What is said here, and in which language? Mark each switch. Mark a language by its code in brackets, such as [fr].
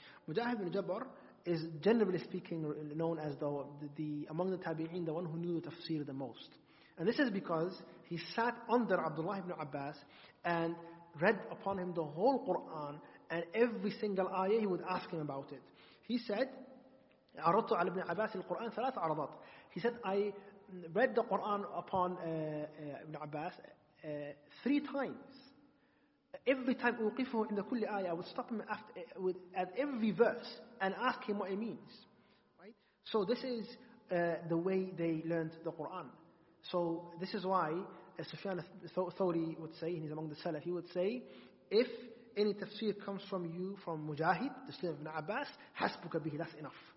[en] Mujahid ibn Jabr is generally speaking known as among the Tabi'in, the one who knew the tafsir the most. And this is because he sat under Abdullah ibn Abbas and read upon him the whole Quran, and every single ayah he would ask him about it. He said, [ar] عَرَضْتُ عَلَى ابْنِ عَبَاسِ الْقُرْآنِ ثَلَاثَ عَرَضَتْ. [en] He said, I read the Quran upon Ibn Abbas three times. Every time [ar] أُوقِفُهُ عِنْدَ كُلِّ آيَةٍ, [en] I would stop him at every verse and ask him what it means. Right? So this is the way they learned the Quran. So this is why Sufyan al-Thawri would say, and he's among the Salaf, he would say, if any tafsir comes from you from Mujahid, the student of Ibn Abbas, [ar] حَسْبُكَ بِهِ, [en] that's enough.